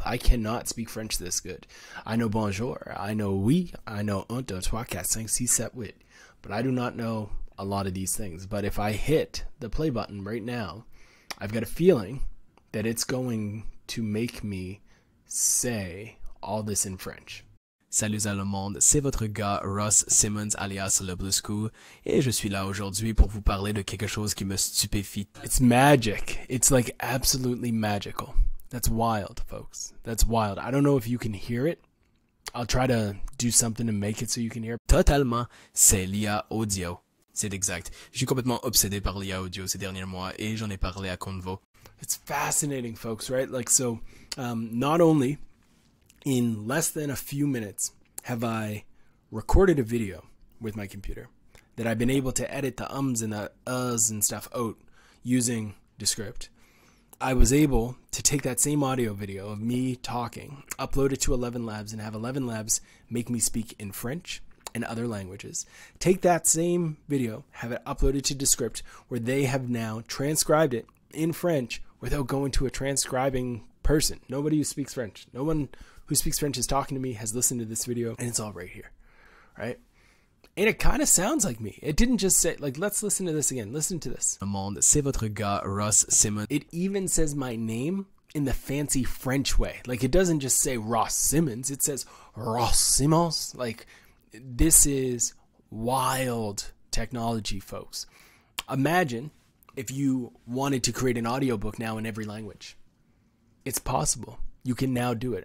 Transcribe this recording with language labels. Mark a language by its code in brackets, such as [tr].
[en] I cannot speak French this good. I know bonjour. I know oui. I know [fr] un, deux, trois, quatre, cinq, six, sept, huit. [en] But I do not know a lot of these things. But if I hit the play button right now, I've got a feeling that it's going to make me say all this in French. [fr] Salut à le monde, c'est votre gars Ross Simmons alias Le Blue School et je suis là aujourd'hui pour vous parler de quelque chose qui me stupéfie. [en] It's magic. It's like absolutely magical. That's wild, folks. That's wild. I don't know if you can hear it. I'll try to do something to make it so you can hear. [fr] Totalement, c'est l'IA audio. C'est exact. Je suis complètement obsédé par l'IA audio ces derniers mois et j'en ai parlé à Convo. [en] It's fascinating, folks, right? Like, so, not only in less than a few minutes have I recorded a video with my computer that I've been able to edit the ums and the uhs and stuff out using Descript, I was able to take that same audio video of me talking, upload it to ElevenLabs, and have ElevenLabs make me speak in French and other languages. Take that same video, have it uploaded to Descript, where they have now transcribed it in French without going to a transcribing person. Nobody who speaks French. No one who speaks French is talking to me, has listened to this video, and it's all right here, right? And it kind of sounds like me. It didn't just say, like, let's listen to this again. Listen to this. [fr] Le monde, c'est votre gars, Ross Simmons. [en] It even says my name in the fancy French way. Like, it doesn't just say Ross Simmons. It says Ross Simmons. Like, this is wild technology, folks. Imagine if you wanted to create an audiobook now in every language. It's possible. You can now do it.